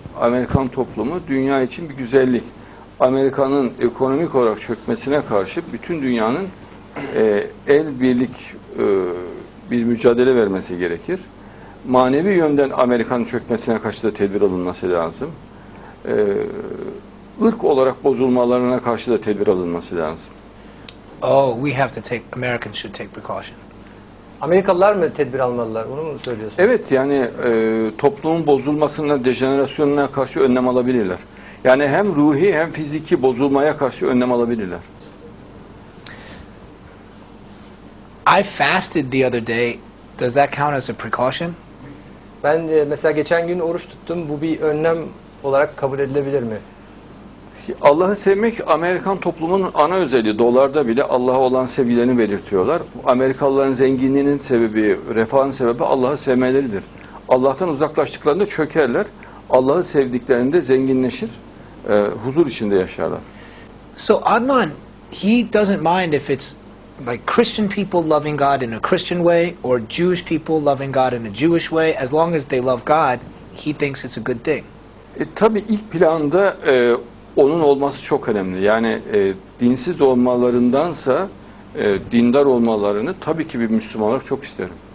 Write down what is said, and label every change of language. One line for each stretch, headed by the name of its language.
Turkish: Amerikan toplumu dünya için bir güzellik. Amerika'nın ekonomik olarak çökmesine karşı bütün dünyanın el birlik bir mücadele vermesi gerekir. Manevi yönden Amerika'nın çökmesine karşı da tedbir alınması lazım. Irk olarak bozulmalarına karşı da tedbir alınması lazım.
English: Oh, we have to take, Americans should take precaution.
Turkish: Amerikalılar mı tedbir almalılar? Onu mu söylüyorsun? Evet, yani toplumun bozulmasına, dejenerasyonuna karşı önlem alabilirler. Yani hem ruhi hem fiziki bozulmaya karşı önlem alabilirler.
English: I fasted the other day. Does that count as a precaution?
Turkish: Ben mesela geçen gün oruç tuttum. Bu bir önlem olarak kabul edilebilir mi? Allah'ı sevmek Amerikan toplumunun ana özelliği. Dolarda bile Allah'a olan sevgilerini belirtiyorlar. Amerikalıların zenginliğinin sebebi, refahın sebebi Allah'ı sevmeleridir. Allah'tan uzaklaştıklarında çökerler. Allah'ı sevdiklerinde zenginleşir, huzur içinde yaşarlar.
English: So Adnan, he doesn't mind if it's like Christian people loving God in a Christian way or Jewish people loving God in a Jewish way. As long as they love God, he thinks it's a good thing.
Turkish: Tabii ilk planda onun olması çok önemli. Yani dinsiz olmalarındansa dindar olmalarını tabii ki bir Müslüman olarak çok isterim.